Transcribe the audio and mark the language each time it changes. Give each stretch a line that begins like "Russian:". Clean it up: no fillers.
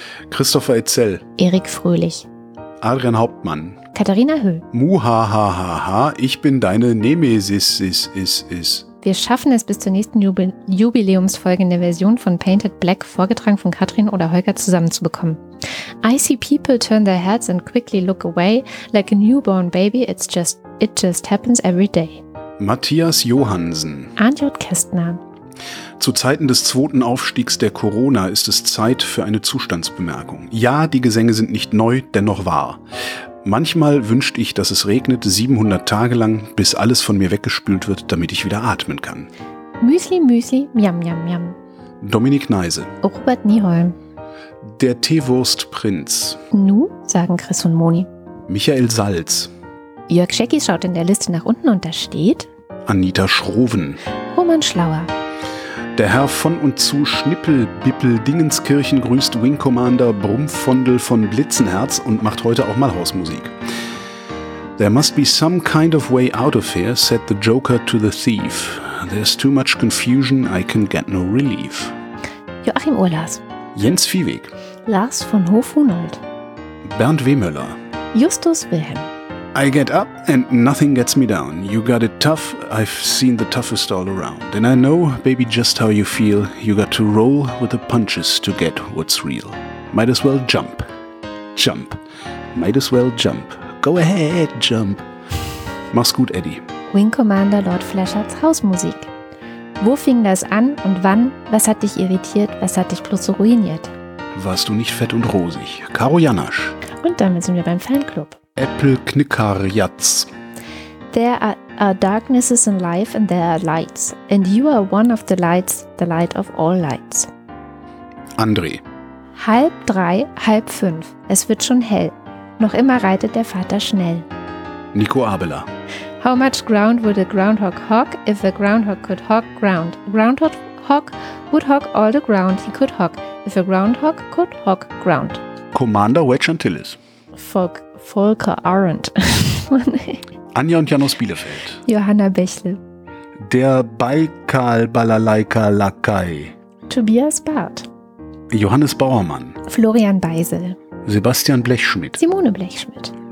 German: Christopher Etzel. Erik Fröhlich. Adrian Hauptmann. Katharina Höh. Muhahaha, ich bin deine Nemesis, is. Wir schaffen es bis zur nächsten Jubiläumsfolge in der Version von Painted Black, vorgetragen von Katrin oder Holger, zusammenzubekommen.
English: I see people turn their heads and quickly look away, like a newborn baby, it just happens every day.
German: Matthias Johansen. Arnjot Kästner. Zu Zeiten des zweiten Aufstiegs der Corona ist es Zeit für eine Zustandsbemerkung. Ja, die Gesänge sind nicht neu, dennoch wahr. Manchmal wünscht ich, dass es regnet 700 Tage lang, bis alles von mir weggespült wird, damit ich wieder atmen kann. Müsli, Müsli, miam, miam, miam. Dominik Neise. Robert Nieholm. Der Teewurstprinz. Nu, sagen Chris und Moni. Michael Salz. Jörg Schäckis schaut in der Liste nach unten und da steht... Anita Schroven. Roman Schlauer. Der Herr von und zu Schnippel Bippel Dingenskirchen grüßt Wing Commander Brumfondel von Blitzenherz und macht heute auch mal Hausmusik.
English: There must be some kind of way out of here, said the Joker to the thief. There's too much confusion, I can get no relief.
German: Joachim Urlas. Jens Viehweg. Lars von Hofhunold. Bernd Wehmöller. Justus Wilhelm.
English: I get up and nothing gets me down. You got it tough, I've seen the toughest all around. And I know, baby, just how you feel. You got to roll with the punches to get what's real. Might as well jump. Jump. Might as well jump. Go ahead, jump.
German: Mach's gut, Eddie. Wing Commander Lord Fleschards Hausmusik. Wo fing das an und wann? Was hat dich irritiert? Was hat dich bloß so ruiniert? Warst du nicht fett und rosig? Caro Janasch. Und damit sind wir beim Fanclub. Apple Knicker Jatz.
English: There are darknesses in life and there are lights. And you are one of the lights, the light of all lights.
German: André. 3:30, 4:30. Es wird schon hell. Noch immer reitet der Vater schnell. Nico Abela.
English: How much ground would a groundhog hog if a groundhog could hog ground? A groundhog hog would hog all the ground he could hog if a groundhog could hog ground.
German: Commander Wedge Antilles. Volker Arendt. Anja und Janos Bielefeld. Johanna Bechle. Der Baikal Balalaika Lakai. Tobias Barth. Johannes Bauermann. Florian Beisel. Sebastian Blechschmidt. Simone Blechschmidt.